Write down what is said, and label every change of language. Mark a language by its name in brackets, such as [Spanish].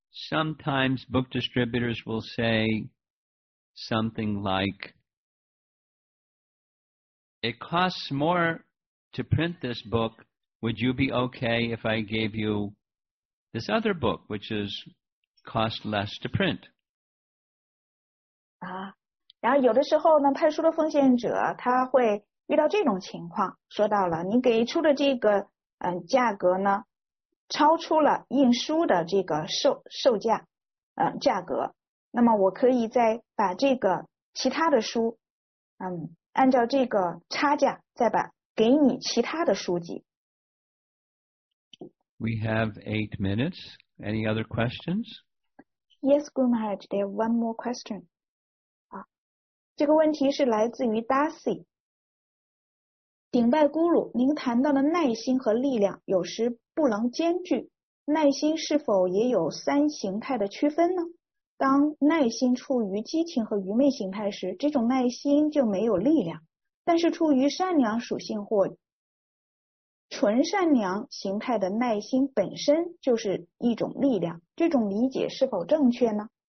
[English] Sometimes book distributors will say something like, it costs more to print this book. Would you be okay if I gave you this other book, which is cost less to print? [Chinese] 然后有的时候呢，派书的奉献者他会遇到这种情况，说到了你给出的这个价格呢，超出了运输的这个售价价格，那么我可以再把这个其他的书按照这个差价再把给你其他的书籍。 [English] We have 8 minutes. Any other questions? Yes, Guru Maharaj, there are one more question. [Chinese] 这个问题是来自于 Darcy。顶拜咕噜，您谈到的耐心和力量有时不能兼具，耐心是否也有三形态的区分呢？当耐心处于激情和愚昧形态时，这种耐心就没有力量，但是处于善良属性或纯善良形态的耐心本身就是一种力量，这种理解是否正确呢？